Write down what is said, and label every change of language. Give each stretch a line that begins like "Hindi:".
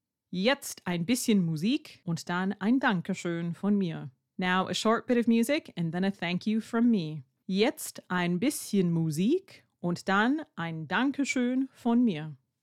German: Jetzt ein bisschen Musik und dann ein Dankeschön von mir.
English: Now a short bit of music and then a thank you from me.
German: Jetzt ein bisschen Musik und dann ein Dankeschön von mir.